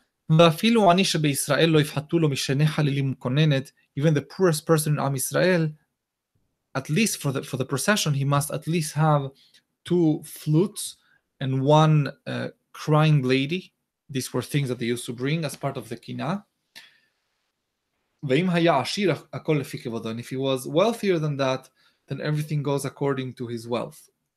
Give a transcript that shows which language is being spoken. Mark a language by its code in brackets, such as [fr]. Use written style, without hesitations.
[he] ואפילו אני שבישראל לא יפחתו לו משני חלילים כוננת, [en] even the poorest person in Am Israel, at least for the procession, he must at least have two flutes and one crying lady. These were things that they used to bring as part of the kina. [he] ואם היה עשיר, הכל לפי כבודו. [en] And if he was wealthier than that, then everything goes according to his wealth.